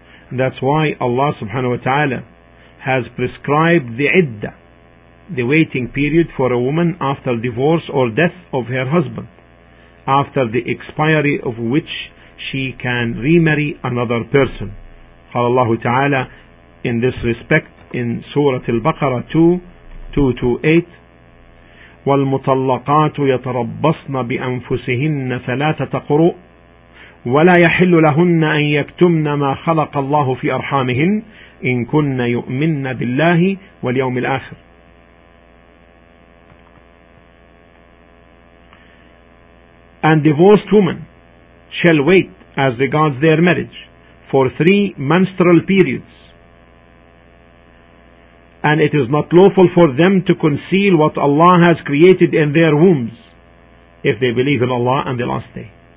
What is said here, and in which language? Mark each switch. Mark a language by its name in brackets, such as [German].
[English] That's why Allah subhanahu wa ta'ala has prescribed the iddah, the waiting period for a woman after divorce or death of her husband, after the expiry of which she can remarry another person. [Arabic] قال الله تعالى [English] in this respect in Surah Al-Baqarah 2:2-8, [Arabic] والمطلقات يتربصن بأنفسهن ثلاثة قروء ولا يحل لهن أن يكتمن ما خلق الله في أرحامهن إن كن يؤمن بالله واليوم الآخر. [English] And divorced women shall wait as regards their marriage for 3 menstrual periods. And it is not lawful for them to conceal what Allah has created in their wombs if they believe in Allah and the last day.